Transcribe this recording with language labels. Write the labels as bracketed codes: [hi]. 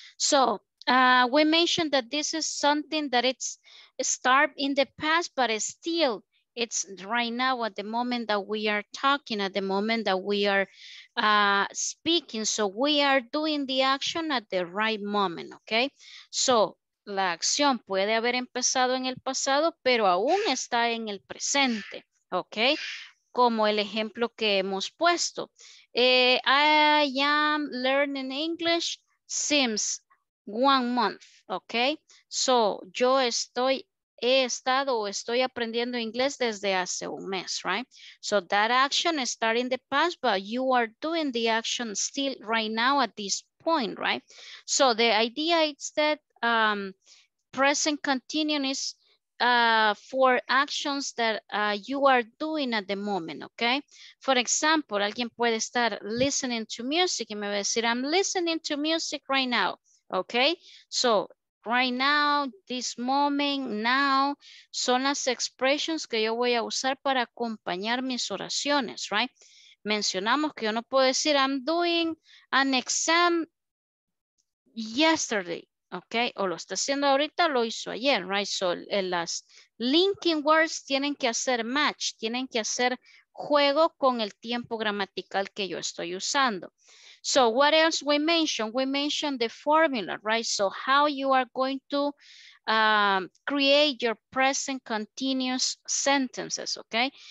[en] So we mentioned that this is something that it's start in the past, but it's still, it's right now at the moment that we are talking, at the moment that we are speaking. So we are doing the action at the right moment, okay? [es] So la acción puede haber empezado en el pasado, pero aún está en el presente, okay? Como el ejemplo que hemos puesto. [en] I am learning English since 1 month, [es] okay? So yo estoy... He estado o estoy aprendiendo inglés desde hace un mes, right? [en] So that action is starting the past, but you are doing the action still right now at this point, right? So the idea is that present continuous is for actions that you are doing at the moment, okay? For example, [es] alguien puede estar [en] listening to music [es] y me va a decir, [en] I'm listening to music right now, okay? [es] So [en] right now, this moment, now, [es] son las expressions que yo voy a usar para acompañar mis oraciones, right? Mencionamos que yo no puedo decir, [en] I'm doing an exam yesterday, [es] okay? O lo está haciendo ahorita, lo hizo ayer, right? So, las linking words tienen que hacer match, tienen que hacer juego con el tiempo gramatical que yo estoy usando. [en] So what else we mentioned? We mentioned the formula, right? So how you are going to create your present continuous sentences, okay?